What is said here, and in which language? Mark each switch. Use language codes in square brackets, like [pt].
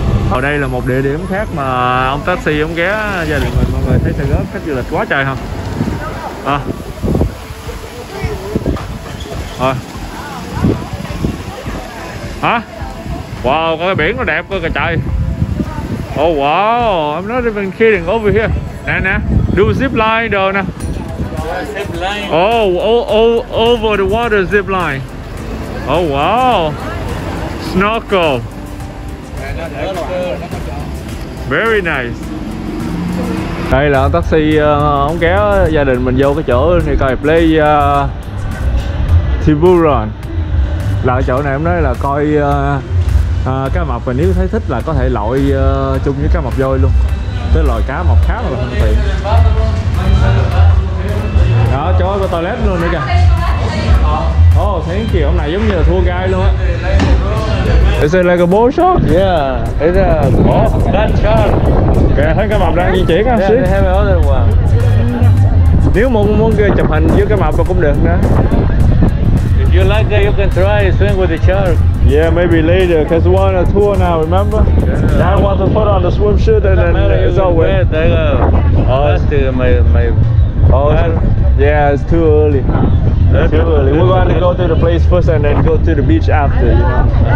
[vi] Ở đây là một địa điểm khác mà ông taxi ông ghé gia đình mình, mọi người thấy xe gấp khách du lịch quá trời không? Hả? Wow, có cái biển nó đẹp quá kìa trời. [en] Oh wow, I'm not even kidding over here. [vi] Nè nè, do zip line đồ nè. [en] Zip line. Over the water zip line. Oh wow. Snorkel. Very nice. [vi] Đây là taxi ông kéo gia đình mình vô cái chỗ này coi play Tiburon. Là chỗ này em nói là coi cá mập và nếu thấy thích là có thể lội chung với cá mập voi luôn. Cái loại cá mập khá là thân thiện. Đó, chỗ có toilet luôn nữa kìa. Oh, thấy kiểu ông này giống như là tour guide luôn á. [en] Is it like a ball shot? Yeah, it's a ball. That turn. [vi] Kìa, thấy cá mập đang di chuyển không? [en] Yeah, they have another one. [vi] Nếu muốn kia chụp hình với cá mập cũng được nữa. [en] If you like that, you can try swim with the shark. Yeah, maybe later, because we're on a tour now, remember? Yeah. Dad wants to put on the swim shirt and then it's all wet. Oh, it's too my. Oh, yeah, it's too early. We're going to go to the place first and then go to the beach after, you know?